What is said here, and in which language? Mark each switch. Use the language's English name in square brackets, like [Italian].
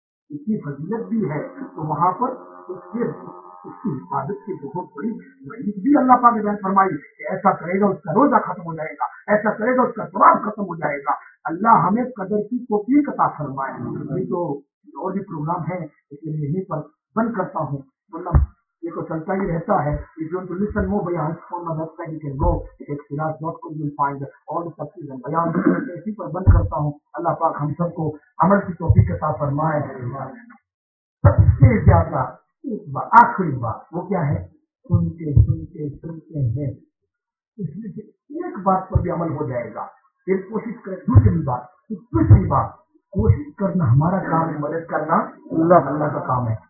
[Urdu] اس کی فضیلت بھی ہے تو وہاں پر اس کی حفاظت کی بہت بڑی محنت بھی اللہ پاک نے بیان فرمائی کہ ایسا کرے گا اس کا روزہ ختم ہو جائے گا, ایسا کرے گا اس کا ثواب ختم ہو جائے گا. اللہ ہمیں قدر کی توفیق عطا فرمائے. نہیں تو اور بھی پروگرام ہے اس لیے یہیں پر بند کرتا ہوں, مطلب یہ تو چلتا ہی رہتا ہے. [English] If you want to listen more by us on the website, you can go to ikhtilas.com, you will find all the subjects and bayan. [Urdu] اسی پر بند کرتا ہوں. اللہ پاک ہم سب کو عمل کی توفیق عطا فرمائے. سب سے زیادہ ایک بار آخری بات وہ کیا ہے, سنتے ہیں, اس میں سے ایک بات پر بھی عمل ہو جائے گا پھر کوشش کریں. دوسری بات کوشش کرنا ہمارا کام ہے, مدد کرنا اللہ کا کام ہے.